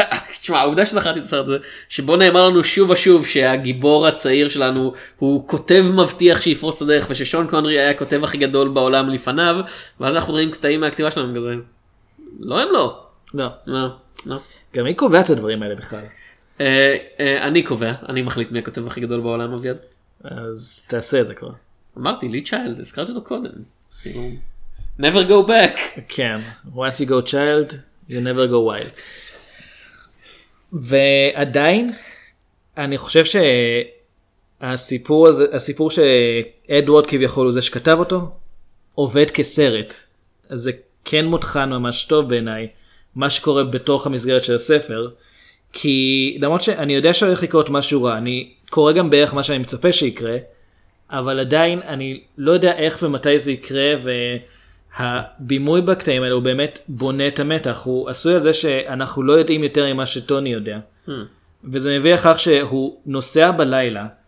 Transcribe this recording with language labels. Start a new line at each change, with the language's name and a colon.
Hebrew: תשמע, העובדה שזכרתי את הסרט הזה, שבו נאמר לנו שוב ושוב שהגיבור הצעיר שלנו הוא כותב מבטיח שיפרוץ את הדרך, וששון קונרי היה הכותב הכי גדול בעולם לפניו, ואז אנחנו רואים קטעים מהכתיבה שלנו כזה. לא הם לא. לא. לא. לא. גם מי קובע את הדברים האלה בכלל? אני קובע, אני מחליט מי הכותב הכי גדול בעולם אביד. אז תעשה את זה כבר. אמרתי, לי צ'יילד, הזכרתי אותו קודם.
English: Never go back. כן, once you go child, you never go wild.
Hebrew: ועדיין, אני חושב שהסיפור הזה, הסיפור שאדוורד כביכול הוא זה שכתב אותו, עובד כסרט. אז זה כן מותחן ממש טוב בעיניי, מה שקורה בתוך המסגרת של הספר, כי למרות שאני יודע שהולך לקרות משהו רע, אני קורא גם בערך מה שאני מצפה שיקרה, אבל עדיין אני לא יודע איך ומתי זה יקרה, והבימוי בקטעים האלו באמת בונה את המתח, הוא עשוי על זה שאנחנו לא יודעים יותר ממה שטוני יודע, וזה מביא לכך שהוא נוסע בלילה,